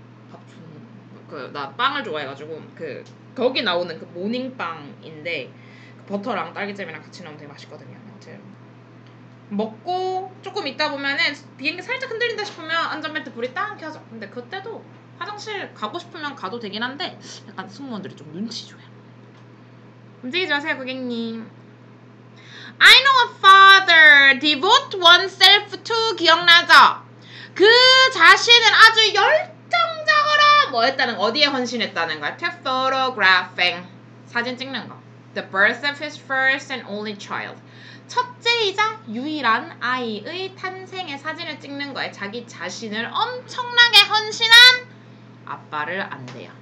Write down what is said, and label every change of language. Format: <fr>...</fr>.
<ko>밥 준 그 나 빵을 좋아해가지고 그 거기 나오는 그 모닝빵인데 그 버터랑 딸기잼이랑 같이 넣으면 되게 맛있거든요. 아무튼. 먹고 조금 있다 보면은 비행기 살짝 흔들린다 싶으면 안전벨트 불이 딱 켜져. 근데 그때도 화장실 가고 싶으면 가도 되긴 한데 약간 승무원들이 좀 눈치 줘요. 움직이지 마세요, 고객님.</ko> <en>I know a father devote oneself to</en> <ko>기억나죠? 그 자신은 아주 열정적으로 뭐 했다는 거? 어디에 헌신했다는 거야?</ko> <en>To photographing.</en> <ko>사진 찍는 거.</ko> <en>The birth of his first and only child.</en> <ko>첫째이자 유일한 아이의 탄생의 사진을 찍는 거에 자기 자신을 엄청나게 헌신한 아빠를 안대요.</ko>